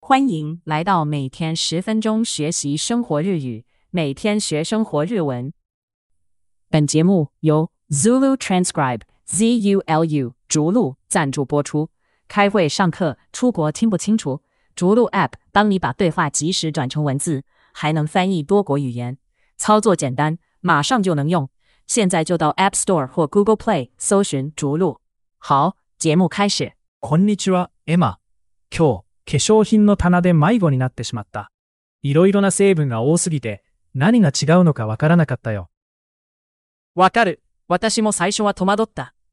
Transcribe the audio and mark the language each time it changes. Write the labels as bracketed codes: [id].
[zh] 欢迎来到每天十分钟学习生活日语，每天学生活日文。本节目由 Zulu Transcribe ZULU 逐鹿赞助播出。开会、上课、出国听不清楚，逐鹿 App 帮你把对话及时转成文字，还能翻译多国语言，操作简单，马上就能用。现在就到 App Store 或 Google Play 搜寻逐鹿。好，节目开始。 [ja] こんにちは、エマ。今日化粧品の棚で迷子になってしまった。いろいろな成分が多すぎて、何が違うのかわからなかったよ。わかる。私も最初は戸惑った。